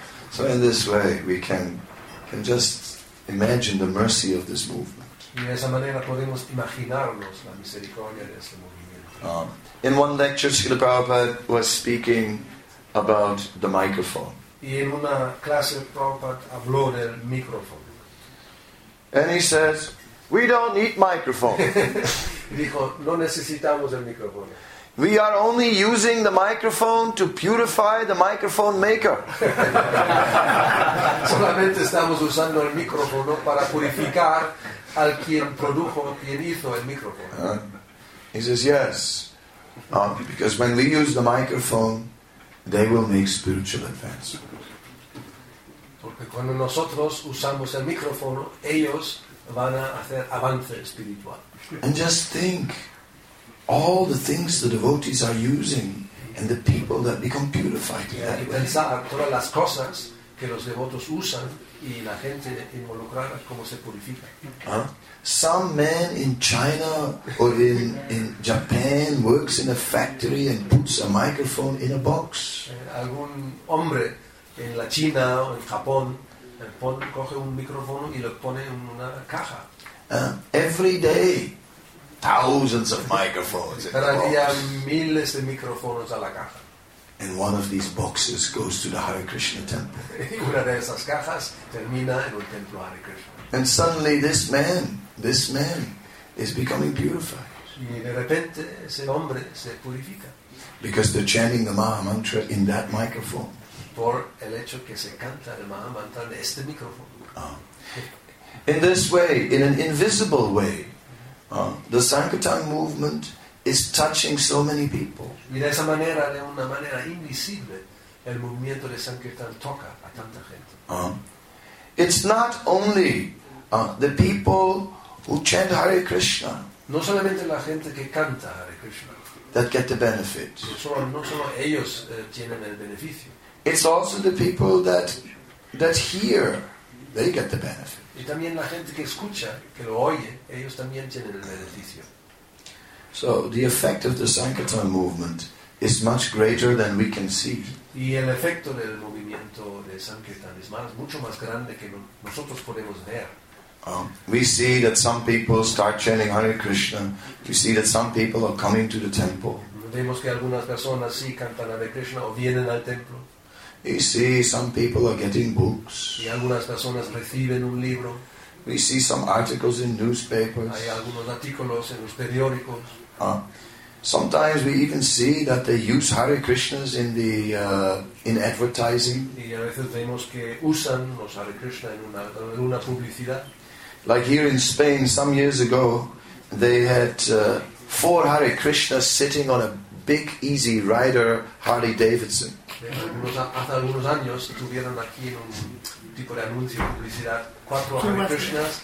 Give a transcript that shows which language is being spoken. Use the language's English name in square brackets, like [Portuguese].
[English] So in this way we can just imagine the mercy of this movement. [Spanish] Y de esa manera podemos imaginarnos la misericordia de ese movimiento. [English] In one lecture, Srila Prabhupada was speaking about the microphone. [Spanish] Y en una clase, Prabhupada habló del micrófono. [English] And he says, we don't need microphone. [Spanish] Dijo, no necesitamos el micrófono. [English] We are only using the microphone to purify the microphone maker. [Spanish] Solamente estamos usando el micrófono para purificar al quien produjo, quien hizo el micrófono. [English] He says, yes. Because when we use the microphone, they will make spiritual advance. [Spanish] Porque cuando nosotros usamos el micrófono, ellos van a hacer avance espiritual. [English] And just think, all the things the devotees are using and the people that become purified. [Spanish] Y hay que pensar todas las cosas que los devotos usan y la gente involucrada cómo se purifica. [English] Some man in China or in Japan works in a factory and puts a microphone in a box. [Spanish] Algún hombre en la China o en Japón coge un micrófono y lo pone en una caja. [English] Every day, thousands of microphones. [Spanish] Cada día miles de micrófonos a la caja. [English] And one of these boxes goes to the Hare Krishna temple. [Spanish] Una de esas cajas termina en el templo Hare Krishna. [English] And suddenly this man is becoming purified. [Spanish] Y de repente ese hombre se purifica. [English] Because they're chanting the Maha Mantra in that microphone. [Spanish] Por el hecho que se canta el Maha Mantra en este micrófono. [English] In this way, in an invisible way, the Sankirtan movement is touching so many people. [Spanish] Y de esa manera, de una manera invisible, el movimiento de Sankirtan toca a tanta gente. [English] It's not only the people who chant Hare Krishna. [Spanish] No solamente la gente que canta Hare Krishna. [English] That get the benefit. [Spanish] No solo ellos tienen el beneficio. [English] It's also the people that hear, they get the benefit. [Spanish] Y también la gente que escucha, que lo oye, ellos también tienen el beneficio. [English] So the effect of the Sankirtan movement is much greater than we can see. [Spanish] Y el efecto del movimiento de Sankirtan es mucho más grande que nosotros podemos ver. [English] We see that some people start chanting Hare Krishna. We see that some people are coming to the temple. [Spanish] Vemos que algunas personas sí cantan Hare Krishna o vienen al templo. [English] We see some people are getting books. [Spanish] Y algunas personas reciben un libro. [English] We see some articles in newspapers. [Spanish] Hay algunos artículos en los periódicos. [English] Sometimes we even see that they use Hare Krishnas in advertising. [Spanish] Y a veces vemos que usan los Hare Krishna en una publicidad. [English] Like here in Spain, some years ago, they had four Hare Krishnas sitting on a big, easy rider, Harley Davidson. [Spanish] Hace algunos años tuvieron aquí en un tipo de anuncio publicidad cuatro Hare Krishnas.